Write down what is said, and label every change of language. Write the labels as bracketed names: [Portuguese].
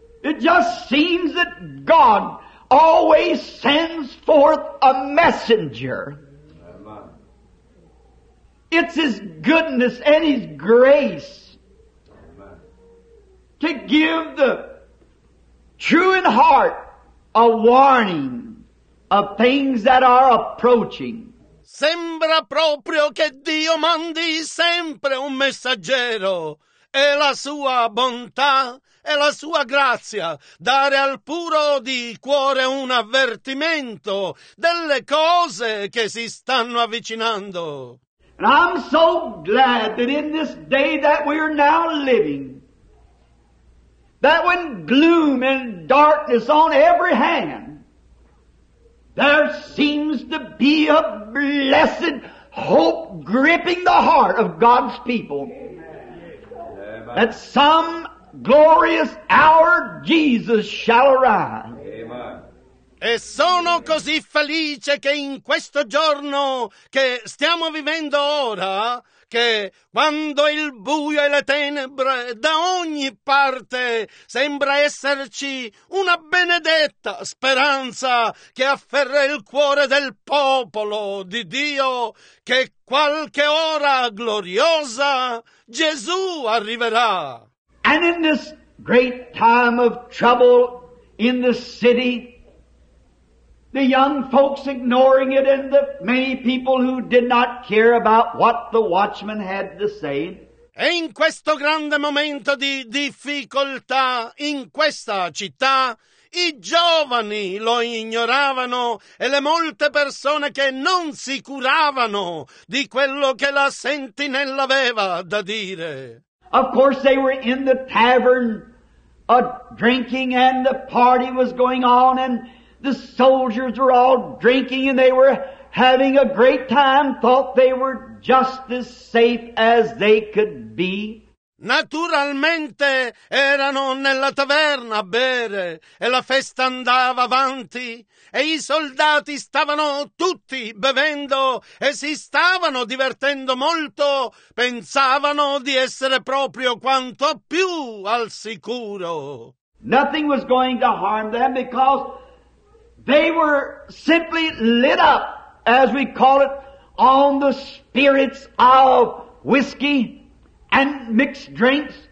[English] It just seems that God always sends forth a messenger. It's His goodness and His grace to give the true in heart a warning of things that are approaching. [Italian] Sembra proprio che Dio mandi sempre un messaggero. È la sua bontà e la sua grazia dare al puro di cuore un avvertimento delle cose che si stanno avvicinando. [English] And I'm so glad that in this day that we are now living, that when gloom and darkness on every hand, there seems to be a blessed hope gripping the heart of God's people. Amen. That some glorious hour Jesus shall arrive. Amen. [Italian] E sono così felice che in questo giorno che stiamo vivendo ora, che quando il buio e le tenebre da ogni parte sembra esserci una benedetta speranza che afferra il cuore del popolo di Dio, che qualche ora gloriosa Gesù arriverà. [English] And in this great time of trouble in the city, the young folks ignoring it and the many people who did not care about what the watchman had to say. [Italian] E in questo grande momento di difficoltà in questa città, i giovani lo ignoravano e le molte persone che non si curavano di quello che la sentinella aveva da dire. [English] Of course they were in the tavern a drinking and the party was going on and the soldiers were all drinking and they were having a great time, thought they were just as safe as they could be. [Italian] Naturalmente erano nella taverna a bere e la festa andava avanti e i soldati stavano tutti bevendo e si stavano divertendo molto, pensavano di essere proprio quanto più al sicuro. [English] Nothing was going to harm them because they were simply lit up, as we call it, on the spirits of whiskey and mixed drinks.